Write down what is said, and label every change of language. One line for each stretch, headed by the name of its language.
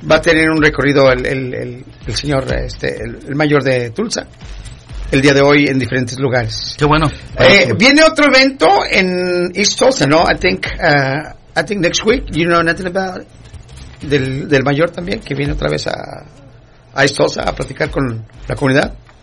Spanish: Va a tener un recorrido el señor, el mayor de Tulsa, el día de hoy en diferentes lugares. Qué bueno. Viene otro evento en East Tulsa, ¿no?
English: I think next week, you know nothing about it.
Spanish: Del mayor también, que viene otra vez a East Tulsa a platicar con la comunidad.